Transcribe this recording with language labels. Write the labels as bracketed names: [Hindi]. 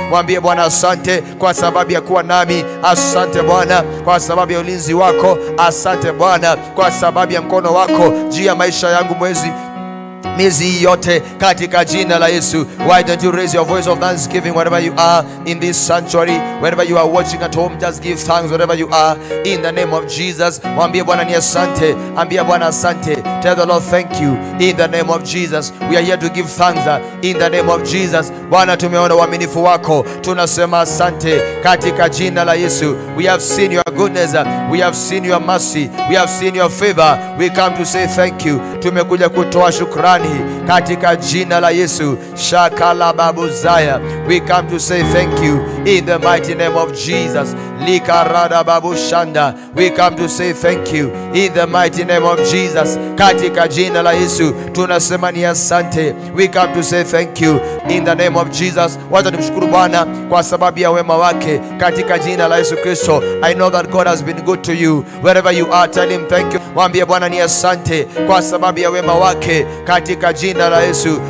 [Swahili] Mwambie Bwana asante kwa sababu ya kuwa nami. Asante Bwana kwa sababu ya ulinzi wako. Asante Bwana kwa sababu ya mkono wako juu ya maisha yangu miezi yote katika jina la Yesu. [English] Why don't you raise your voice of thanksgiving wherever you are in this sanctuary, wherever you are watching at home, just give thanks wherever you are in the name of Jesus. [Swahili] Mwambie Bwana ni asante. Ambia Bwana asante. [English] Tell the Lord thank you in the name of Jesus. We are here to give thanks in the name of Jesus. [Swahili] Bwana tumeona uaminifu wako, tunasema asante katika jina la Yesu. [English] We have seen your goodness, we have seen your mercy, we have seen your favor. We come to say thank you. [Swahili] Tumekuja kutoa shukrani katika jina la Yesu. Shakala babu zaya. [English] We come to say thank you in the mighty name of Jesus. Likarada babu shanda. We come to say thank you in the mighty name of Jesus. [Swahili] Katika jina la Yesu tunasema ni asante. [English] We come to say thank you in the name of Jesus. [Swahili] Wacha tumshukuru Bwana kwa sababu ya wema wake katika jina la Yesu Kristo. [English] I know that God has been good to you. Wherever you are, tell him thank you. [Swahili] Mwambie Bwana ni asante kwa sababu ya wema wake katika jina la Yesu.